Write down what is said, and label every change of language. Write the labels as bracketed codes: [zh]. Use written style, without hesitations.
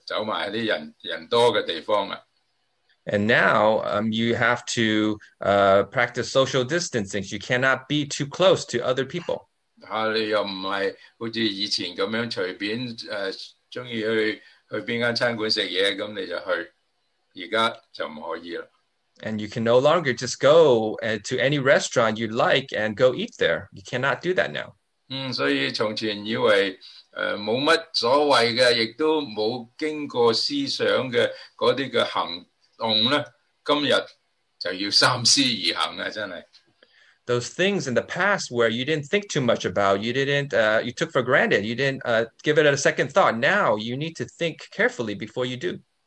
[en] And now you have to practice social distancing. You cannot be too close to other people. [zh] 你又不是好像以前那样随便喜欢去哪间餐馆吃东西那你就去。现在就不可以了。 [en] And you can no longer just go to any restaurant you like and go eat there. You cannot do that now. [zh] 所以从前以为 没什么所谓的,也都没经过思想的那些行动。 [en] Those things in the past where you didn't think too much about, you didn't, you took for granted, you didn't give it a second thought. Now you need to think carefully before you do.